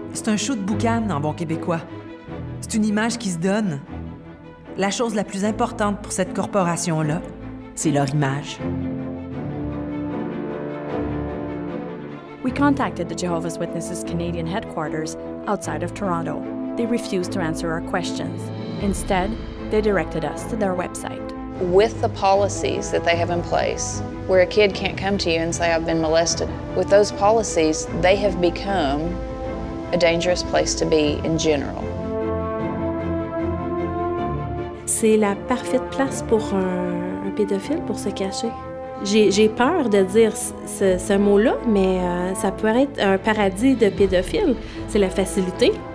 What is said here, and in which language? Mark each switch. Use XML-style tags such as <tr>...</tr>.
<fr>C'est un show de boucan en bon québécois. C'est une image qui se donne. La chose la plus importante pour cette corporation-là, c'est leur image.</fr> <en>We contacted the Jehovah's Witnesses Canadian headquarters outside of Toronto. They refused to answer our questions. Instead, they directed us to their website. With the policies that they have in place, where a kid can't come to you and say, I've been molested, with those policies, they have become a dangerous place to be in general.</en> <fr>C'est la parfaite place pour un pédophile pour se cacher. J'ai peur de dire ce mot-là, mais ça pourrait être un paradis de pédophile. C'est la facilité.</fr>